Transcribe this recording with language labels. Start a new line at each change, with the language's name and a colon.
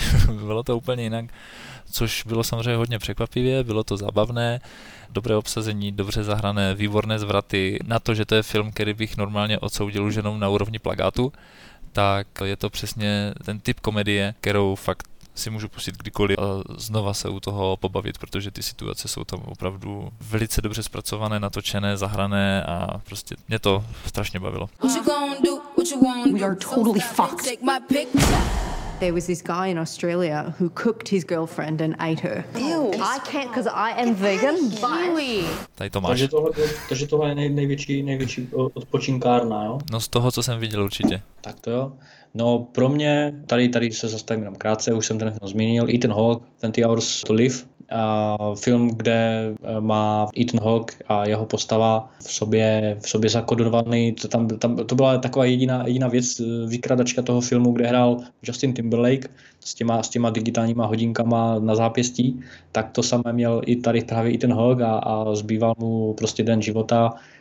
Czech: bylo to úplně jinak, což bylo samozřejmě hodně překvapivě, bylo to zábavné, dobré obsazení, dobře zahrané, výborné zvraty, na to, že to je film, který bych normálně odsoudil už jenom na úrovni plakátu, tak je to přesně ten typ komedie, kterou fakt si můžu pustit kdykoliv a znova se u toho pobavit, protože ty situace jsou tam opravdu velice dobře zpracované, natočené, zahrané a prostě mě to strašně bavilo.
English: We are totally fucked. There was this guy in Australia who cooked his girlfriend and ate her. Ew, I can't because I am vegan.
Czech: Tady to máš. Takže tohle je největší odpočinkárna, jo? No z toho, co jsem viděl určitě. Tak to jo. No pro mě, tady se zastavím jenom krátce, už jsem ten film zmínil, Ethan Hawke, 20 Hours to Live, film, kde má Ethan Hawke a jeho postava v sobě zakodovaný, tam to byla taková jediná věc, vykradačka toho filmu, kde hrál Justin Timberlake s těma digitálníma hodinkama na zápěstí, tak to samé měl i tady právě Ethan Hawke a zbýval mu prostě den života.